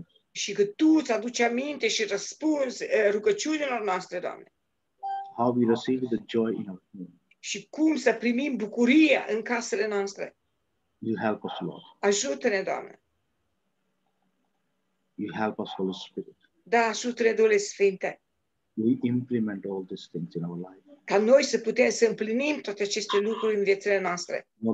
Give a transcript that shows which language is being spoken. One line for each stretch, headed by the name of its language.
Romanian: Și că Tu îți aduci aminte și răspunzi rugăciunilor noastre, Doamne.
English: How we receive the joy in our home.
Romanian: Și cum să primim bucuria în casele noastre.
English: You help us, Lord.
Romanian: Ajută-ne, Doamne.
English: You help us, Holy Spirit.
Romanian: Da, ajută-ne, Duhule Sfinte.
English: We implement all these things in our life.
Romanian: Ca noi să putem să împlinim toate aceste lucruri în viețile noastre.